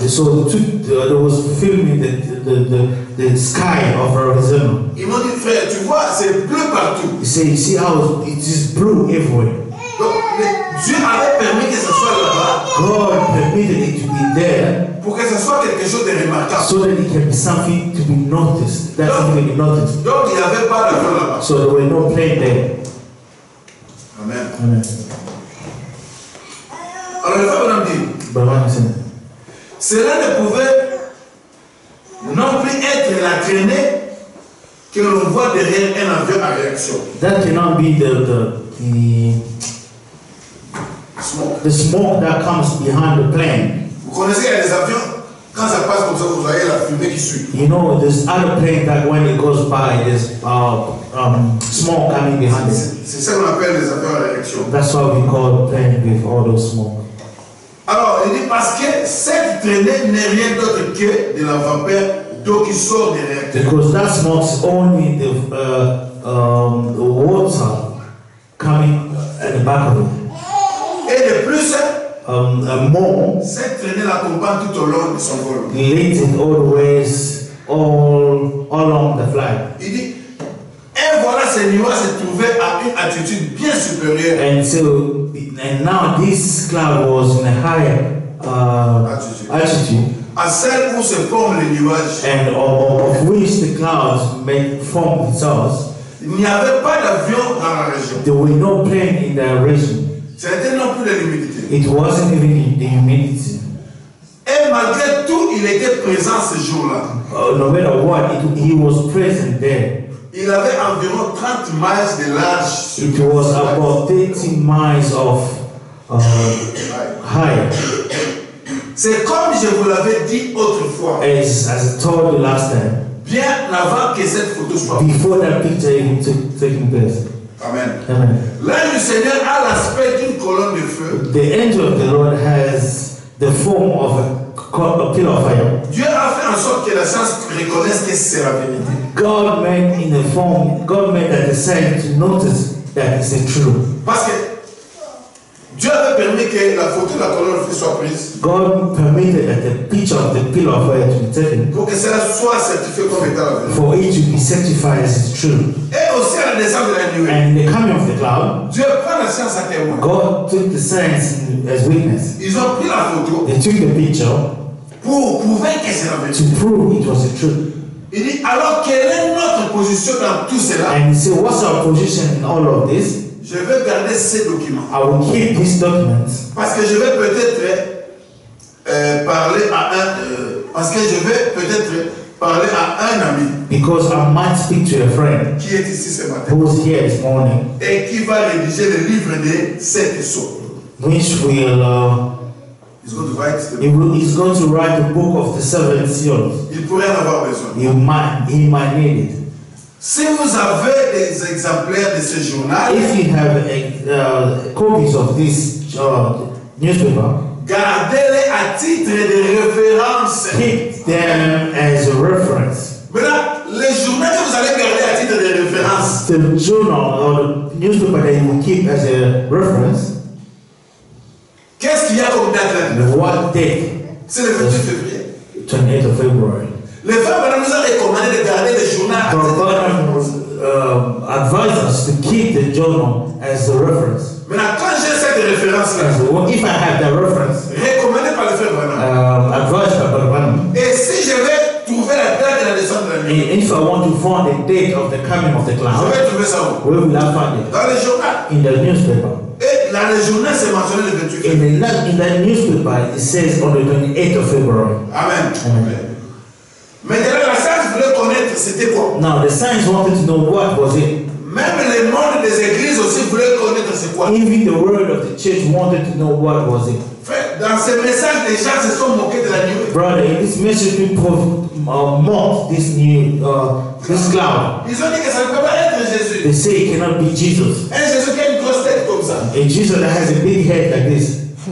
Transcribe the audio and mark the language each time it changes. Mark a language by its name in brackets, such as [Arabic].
[English] So there was filming the sky of Arizona. [French] Ils m'ont dit frère, tu vois c'est bleu partout. [English] He said, you see how it is blue everywhere. [French] Donc Dieu avait permis que ce soit là-bas. [English] God permitted it to be there. [French] Pour que ce soit quelque chose de remarquable. [English] So that it can be something to be noticed. That something to be noticed. [French] Donc il n'y avait pas d'avion là-bas. [English] So there were no plane there. [French] Amen. [English] Amen. [French] Alors, le frère Branham dit, Branham, cela ne pouvait non plus être la traînée que l'on voit derrière un avion à réaction. [English] That cannot be the smoke that comes behind the plane. [French] Vous connaissez qu'il y a des avions, quand ça passe comme ça, vous voyez la fumée qui suit. [English] You know, there's other plane that when it goes by, there's smoke coming behind it. [French] C'est ça qu'on appelle les avions à réaction. [English] That's what we call plane with all those smoke. [French] Alors, il dit parce que cette traînée n'est rien d'autre que de la vapeur d'eau qui sort des réacteurs. [English] Because that smoke is only the water coming at the back of it. [French] Et de plus, [English] More, [French] cette traînée l'accompagne tout au long de son vol. [English] It leads it always all along the flight. [French] Il dit, et voilà ces nuages se trouvaient à une altitude bien supérieure. [English] And now this cloud was in a higher altitude. [French] À celle où se forment les nuages. [English] And of which the clouds may form themselves. [French] Il n'y avait pas d'avion dans la région. [English] There were no plane in the region. [French] C'était non plus de l'humidité. [English] It wasn't even the humidity. [French] Et malgré tout, il était présent ce jour-là. [English] No matter what, he was present there. [French] Il avait environ 30 miles de large. [English] It was about 30 miles of height. [French] C'est comme je vous l'avais dit autrefois. [English] As I told you last time. [French] Bien avant que cette photo soit. [English] Before that picture even took place. [French] Amen. [English] Amen. [French] L'ange du Seigneur a l'aspect d'une colonne de feu. [English] The angel of the Lord has the form of a pillar of fire. [French] Dieu a fait en sorte que la science reconnaisse que c'est la vérité. [English] God made in the form, God made that the saint to notice that it's the truth. [French] Parce que Dieu avait permis que la photo de la colonne de feu soit prise. [English] God permitted that the picture of the pillar of fire to be taken. [French] Pour que cela soit certifié comme étant la vérité. [English] For it to be certified as it's true. [French] Et aussi à la descente de la nuit. [English] And the coming of the cloud. [French] Dieu prend la science à témoin. [English] God took the saints as witness. [French] Ils ont pris la photo. [English] They took the picture. [French] Pour prouver que c'est la vérité. [English] To prove it was the truth. [French] Il dit, alors quelle est notre position dans tout cela? [English] And he said, what's our position in all of this? [French] Je vais garder ces documents. [English] I will keep these documents. [French] Parce que je vais peut-être parler à un. Parce que je vais peut-être parler à un ami. [English] Because I might speak to a friend. [French] Qui est ici ce matin? [English] Who's here this morning? [French] Et qui va rédiger le livre de cette sorte. [English] Which will He's going to write the book of the seven seals. [French] Il pourrait en avoir besoin. [English] He might need it. [French] Si vous avez des exemplaires de ce journal, [English] if you have copies of this newspaper, [French] gardez-les à titre de référence. [English] Keep them as a reference. [French] Maintenant, les journaux que vous allez garder à titre de référence, [English] the journal or the newspaper that you will keep as a reference, [French] qu'est-ce qu'il y a comme date [English] là? What date? [French] C'est le 28 février. [English] 28 of February. [French] Le Père nous a recommandé de garder les journaux. [English] The Father advised us to keep the journal as a reference. [French] Maintenant, quand j'ai cette référence là, [English] if I have the reference, [French] recommandé par le Père [English] advised by the Father. [French] Et si je vais trouver la date de la descente de la [English] nuit, if I want to find the date of the coming of the cloud, [French] je vais trouver ça où? [English] Where will I find it? [French] Dans les journaux. [English] In the newspaper. [French] Et là, le journal s'est mentionné le 28 février. [English] In the newspaper, it says on the 28th of February. [French] Amen. [English] Amen. [French] Mais la science voulait connaître c'était quoi? [English] Now, the science wanted to know what was it. [French] Même le monde des églises aussi voulait connaître c'est quoi? [English] Even the world of the church wanted to know what was it. [French] Dans ce message, les gens se sont moqués de la nuit. [English] Brother, in this message, people mocked this new this cloud. [French] Ils ont dit que ça ne peut pas être Jésus. [English] They say it cannot be Jesus. [French] Un Jésus qui a une grosse tête comme ça. [English] A Jesus that has a big head like this.